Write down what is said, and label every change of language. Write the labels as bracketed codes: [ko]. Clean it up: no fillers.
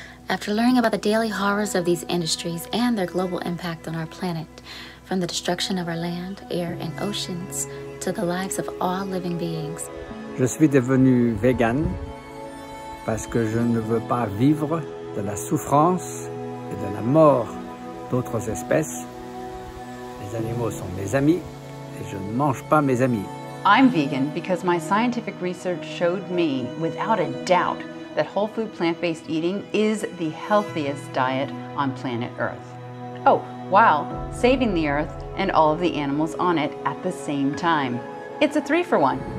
[en] after learning about the daily horrors of these industries and their global impact on our planet, from the destruction of our land, air, and oceans to the lives of all living beings. [fr] Je suis devenue vegan parce que je ne veux pas vivre de la souffrance et de la mort d'autres espèces. Les animaux sont mes amis et je ne mange pas mes amis. [en] I'm vegan because my scientific research showed me, without a doubt, that whole food plant-based eating is the healthiest diet on planet Earth. Oh, while saving the Earth and all of the animals on it at the same time. It's a three for one.